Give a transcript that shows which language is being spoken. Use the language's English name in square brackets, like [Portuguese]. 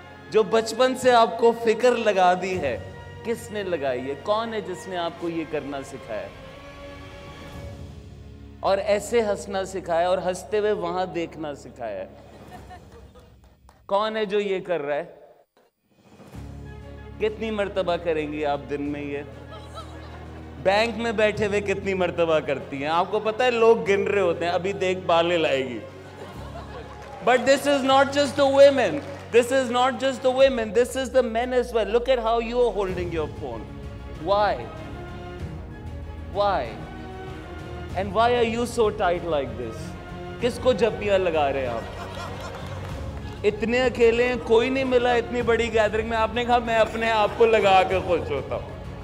[Urdu] جو بچپن سے آپ کو فکر لگا دی ہے، کس نے لگائی ہے؟ کون ہے جس نے آپ کو یہ کرنا سکھایا اور ایسے ہنسنا سکھایا اور ہنستے ہوئے وہاں دیکھنا سکھایا؟ کون ہے جو یہ کر رہا ہے؟ کتنی مرتبہ کریں گی آپ دن میں یہ؟ بینک میں بیٹھے ہوئے کتنی مرتبہ کرتی ہیں؟ آپ کو پتا ہے لوگ گن رہے ہوتے ہیں، ابھی دیکھ بالے لائے گی. [English] But this is not just the women, this is not just the women, this is the men as well. Look at how you are holding your phone. Why why and why are you so tight like this? [Urdu] کس کو جپیاں لگا رہے ہیں آپ؟ اتنے اکیلے ہیں، کوئی نہیں ملا اتنی بڑی گیدرنگ میں. آپ نے کہا میں اپنے آپ کو لگا کے خوش ہوتا ہوں.